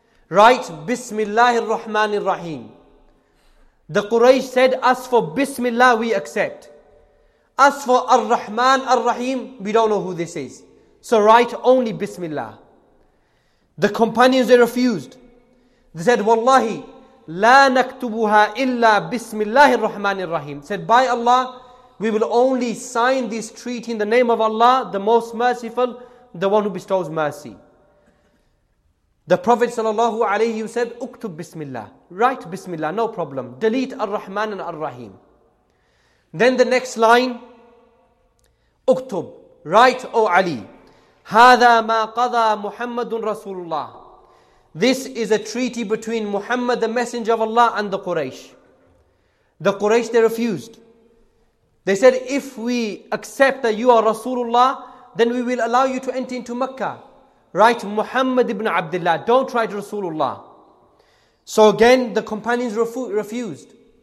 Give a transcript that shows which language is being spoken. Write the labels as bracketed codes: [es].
[en] Write Bismillahir Rahmanir Rahim. The Quraysh said, as for Bismillah, we accept. As for Ar-Rahman Ar-Rahim, we don't know who this is. So write only Bismillah. The companions, they refused. They said, Wallahi, [ar] لا نكتبها إلا بسم الله الرحمن الرحيم. [en] Said, by Allah, we will only sign this treaty in the name of Allah, the most merciful, the one who bestows mercy. The Prophet sallallahu alayhi wa said, [ar] اكتب بسم الله. [en] Write بسم الله, no problem. Delete الرحمن and الرحيم. Then the next line, اكتب, write, O Ali. [ar] هذا ما قضى محمد رسول الله. [en] This is a treaty between Muhammad, the Messenger of Allah, and the Quraysh. The Quraysh, they refused. They said, if we accept that you are Rasulullah, then we will allow you to enter into Mecca. Write Muhammad ibn Abdullah. Don't write Rasulullah. So again, the companions refused.